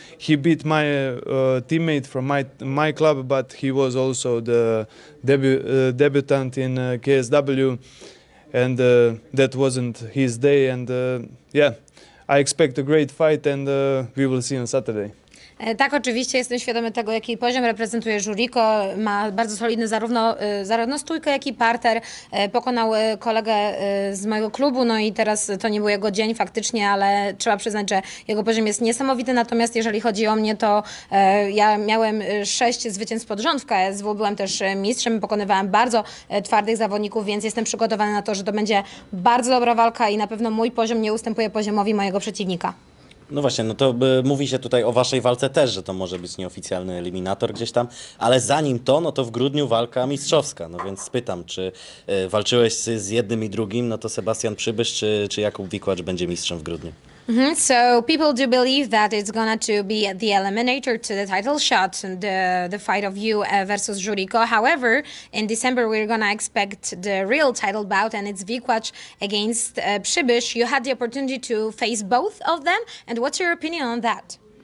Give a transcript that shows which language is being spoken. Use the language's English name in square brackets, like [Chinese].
[English] He beat my teammate from my club, but he was also the debutant in KSW, and that wasn't his day. And yeah, I expect a great fight, and we will see on Saturday. [Polish] Tak, oczywiście jestem świadomy tego, jaki poziom reprezentuje Zoriko. Ma bardzo solidny zarówno stójkę, jak i parter. Pokonał kolegę z mojego klubu, no i teraz to nie był jego dzień faktycznie, ale trzeba przyznać, że jego poziom jest niesamowity. Natomiast jeżeli chodzi o mnie, to ja miałem 6 zwycięstw pod rząd w KSW. Byłem też mistrzem, pokonywałem bardzo twardych zawodników, więc jestem przygotowany na to, że to będzie bardzo dobra walka i na pewno mój poziom nie ustępuje poziomowi mojego przeciwnika. No właśnie, no to mówi się tutaj o waszej walce też, że to może być nieoficjalny eliminator gdzieś tam, ale zanim to, no to w grudniu walka mistrzowska, no więc spytam, czy walczyłeś z jednym i drugim, no to Sebastian Przybysz, czy Jakub Wikłacz będzie mistrzem w grudniu? Mm-hmm. [English] So people do believe that it's gonna to be the eliminator to the title shot, the fight of you versus Zoriko. However, in December we're gonna expect the real title bout, and it's Wikłacz against Przybysz. You had the opportunity to face both of them, and what's your opinion on that?